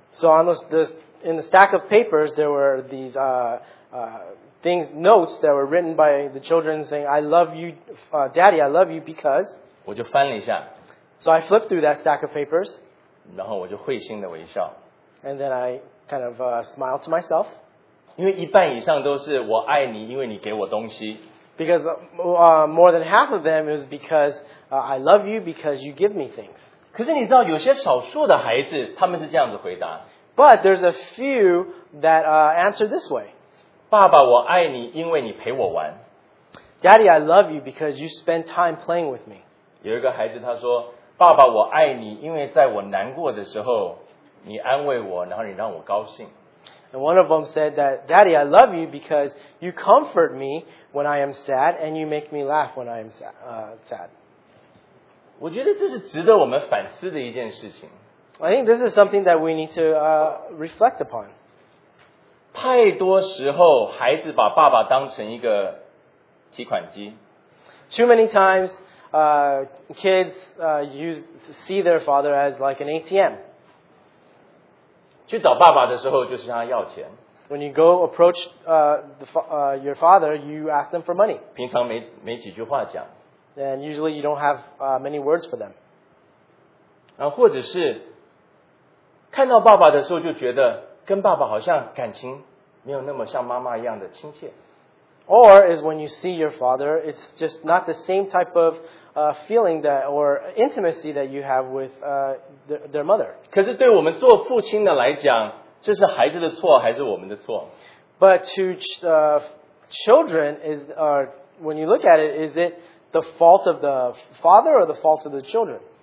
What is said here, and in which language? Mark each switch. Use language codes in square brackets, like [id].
[en] So on in the stack of papers, there were these things, notes that were written by the children saying, "I love you, Daddy. I love you because." [zh] 我就翻了一下。 [en] So I flipped through that stack of papers. [zh] 然后我就会心的微笑。 [en] And then I kind of smiled to myself. [zh] 因为一半以上都是我爱你，因为你给我东西。 [en] Because more than half of them is because I love you because you give me things. [zh] 可是你知道有些少数的孩子他们是这样子回答。 [en] But there's a few that answer this way. [zh] 爸爸，我爱你，因为你陪我玩。 [en] Daddy, I love you because you spend time playing with me. [zh] 有一个孩子他说， 爸爸，我爱你，因为在我难过的时候，你安慰我，然后你让我高兴。 [en] And one of them said that, Daddy, I love you because you comfort me when I am sad and you make me laugh when I am sad. [zh] 我觉得这是值得我们反思的一件事情。 [en] I think this is something that we need to reflect upon. [zh] 太多时候孩子把爸爸当成一个提款机。 [en] Too many times, kids see their father as like an ATM. [zh] 去找爸爸的时候就是向他要钱。 [en] When you go approach your father, you ask them for money. [zh] 平常没几句话讲。 [en] And usually you don't have many words for them. [zh] 或者是看到爸爸的时候就觉得跟爸爸好像感情没有那么像妈妈一样的亲切。 [en] Or is when you see your father, it's just not the same type of feeling that or intimacy that you have with their mother. [zh] 可是对我们做父亲的来讲, 这是孩子的错还是我们的错? [en] But to children, is when you look at it, is it the fault of the father or the fault of the children?